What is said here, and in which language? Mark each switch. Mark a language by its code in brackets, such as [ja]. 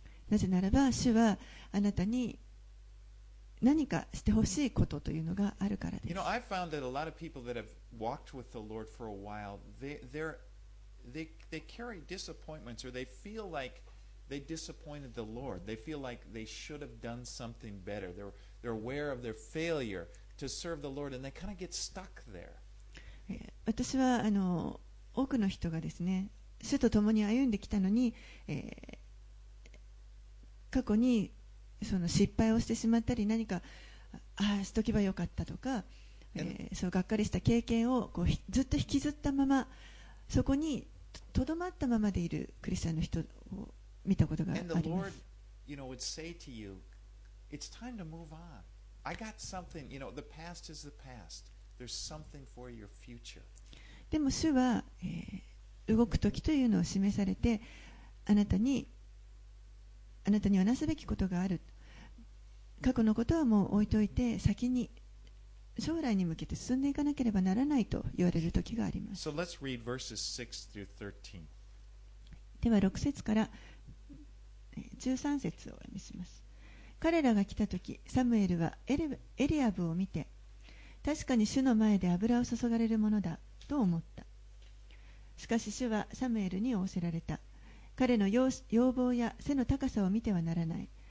[ja] なぜならば主はあなたに何かしてほしいことというのがあるからです。 [en] You know, I've found that a lot of people that have walked with the Lord for a while, they carry disappointments or they feel like they disappointed the Lord. They feel like they should have done something better. They're aware of their failure to serve the Lord and they kind of get stuck there. [ja] 私は多くの人がですね、主と共に歩んできたのに、過去にその失敗をしてしまったり、何かああしとけばよかったとか、そうがっかりした経験をこうずっと引きずったまま、そこにとどまったままでいるクリスチャンの人を見たことがあります。 [en] And the Lord, you know, would say to you, it's time to move on. I got something, you know, the past is the past. There's something for your future. [ja] でも主は、動く時というのを示されて、あなたにはなすべきことがある。過去のことはもう置いといて、先に将来に向けて進んでいかなければならないと言われる時があります。 [en] So let's read verses 6 through 13. [ja] では6節から13節を読みします。彼らが来た時、サムエルはエリアブを見て、確かに主の前で油を注がれるものだと思った。しかし主はサムエルに仰せられた。彼の容貌や背の高さを見てはならない。